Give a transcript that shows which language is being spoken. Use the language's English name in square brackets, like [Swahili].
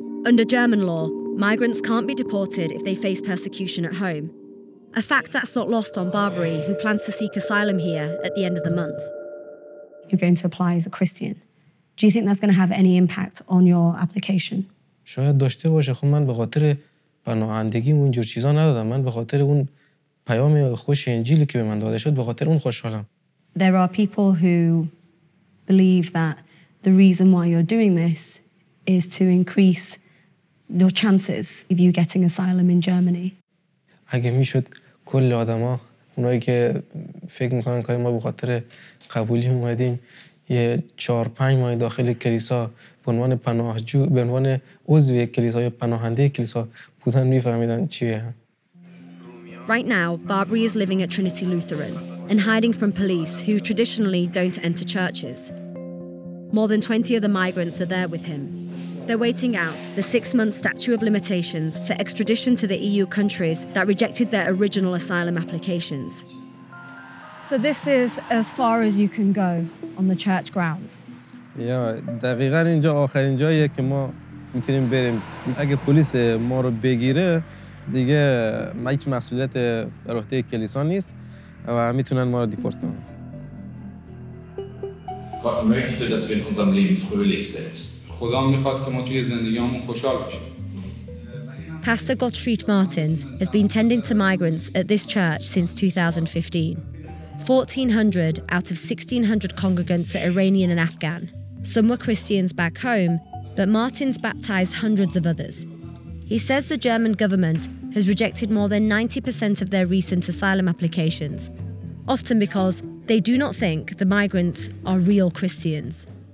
[English] Under German law, migrants can't be deported if they face persecution at home. A fact that's not lost on Barbary, who plans to seek asylum here at the end of the month. You're going to apply as a Christian. Do you think that's going to have any impact on your application? [Persian] شاید داشته باشه، خب من به خاطر پناهندگی اون جور چیزا ندادم، من به خاطر اون پیام خوش انجیلی که به من داده شد به خاطر اون خوشحالم. [English] There are people who believe that the reason why you're doing this is to increase your chances of you getting asylum in Germany. [Persian] اگه میشد کل آدما، اونایی که فکر میکنن که ما به خاطر قبولی اومدیم، یه 4-5 ماه داخل کلیسا به عنوان پناهجو، به عنوان عضو کلیسا یا پناهنده کلیسا بودن، میفهمیدن چیه. [English] Right now, Barbary is living at Trinity Lutheran and hiding from police who traditionally don't enter churches. More than 20 other migrants are there with him. They're waiting out the 6-month statute of limitations for extradition to the EU countries that rejected their original asylum applications. So this is as far as you can go on the church grounds. [Persian] Yeah, دقیقاً اینجا آخرین جاییه که ما میتونیم بریم. اگه پلیس ما رو بگیره دیگه ما هیچ مسئولیت بر عهده کلیسا نیست و میتونن ما رو دیپورت کنن. [German] Gott möchte, dass wir in unserem Leben fröhlich sind. [Persian] خدا میخواد که ما توی زندگیمون خوشحال باشیم. [English] Pastor Gottfried Martins has been tending to migrants at this church since 2015. 1,400 out of 1,600 congregants are Iranian and Afghan. Some were Christians back home, but Martins baptized hundreds of others. He says the German government has rejected more than 90% of their recent asylum applications, often because they do not think the migrants are real Christians.